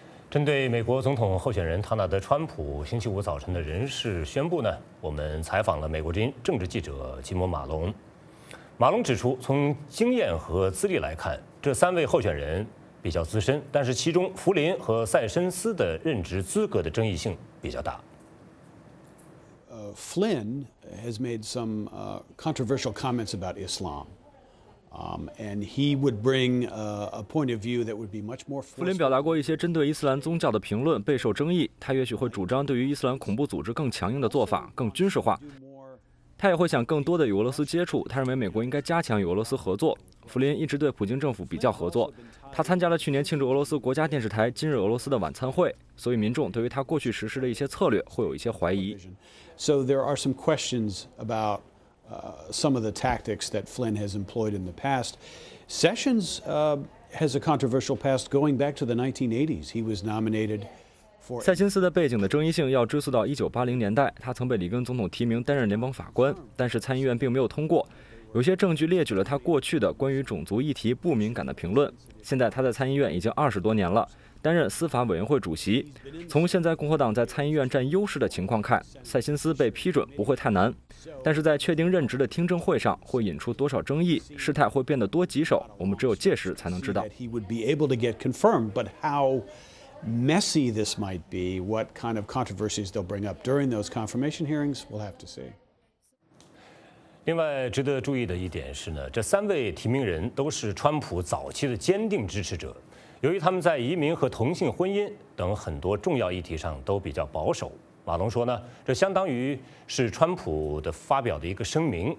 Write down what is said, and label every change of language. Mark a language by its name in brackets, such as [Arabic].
[Chinese] 针对美国总统候选人唐纳德·川普星期五早晨的人事宣布呢，我们采访了美国之音政治记者吉姆·马龙。马龙指出，从经验和资历来看，这三位候选人比较资深，但是其中弗林和塞申斯的任职资格的争议性比较大。 [English] Flynn has made some controversial comments about Islam. And he would bring a point of view that would be much more. [Chinese] 弗林表达过一些针对伊斯兰宗教的评论，备受争议。他也许会主张对于伊斯兰恐怖组织更强硬的做法，更军事化。他也会想更多的与俄罗斯接触。他认为美国应该加强与俄罗斯合作。弗林一直对普京政府比较合作。他参加了去年庆祝俄罗斯国家电视台今日俄罗斯的晚餐会，所以民众对于他过去实施的一些策略会有一些怀疑。 [English] So there are some questions about. Some of the tactics that Flynn has employed in the past. Sessions has a controversial past going back to the 1980s. He was nominated for. [Chinese] 塞申斯的背景的争议性要追溯到1980年代，他曾被里根总统提名担任联邦法官，但是参议院并没有通过。有些证据列举了他过去的关于种族议题不敏感的评论。现在他在参议院已经20多年了，担任司法委员会主席。从现在共和党在参议院占优势的情况看，塞申斯被批准不会太难。但是在确定任职的听证会上会引出多少争议，事态会变得多棘手，我们只有届时才能知道。 [English] He would be able to get confirmed, but how messy this might be, what kind of controversies they'll bring up during those confirmation hearings, we'll have to see. [Chinese] 另外值得注意的一点是呢，这三位提名人都是川普早期的坚定支持者，由于他们在移民和同性婚姻等很多重要议题上都比较保守，马龙说呢，这相当于是川普的发表的一个声明。